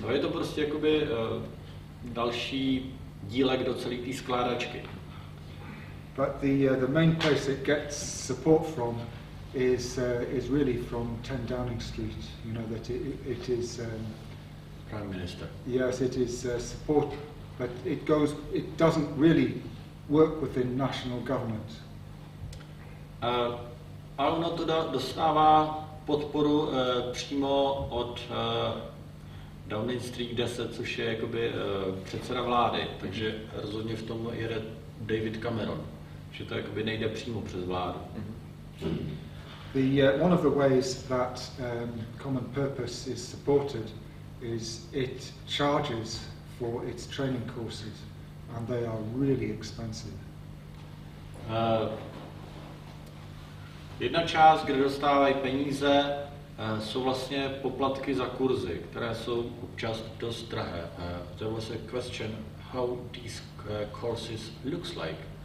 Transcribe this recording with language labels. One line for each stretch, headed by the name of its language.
Czech: Jo? Je to prostě jakoby další dílek do celé té skládačky.
English: But the main place it gets support from is really from 10 Downing Street. You know that it is... Prime Minister. Yes, it is support, but it goes. It doesn't really work within national government.
Czech: A ono to dostává podporu přímo od Downing Street 10, což je jakoby předseda vlády. Takže rozhodně v tom jede David Cameron, že to jakoby nejde přímo přes vládu.
English: The one of the ways that Common Purpose is supported. Is it charges for its training courses, and they are really expensive.
Czech: Jedna část, kde dostávají peníze, jsou vlastně poplatky za kurzy, které jsou občas dost drahé.
English: There was a question how these courses looks like.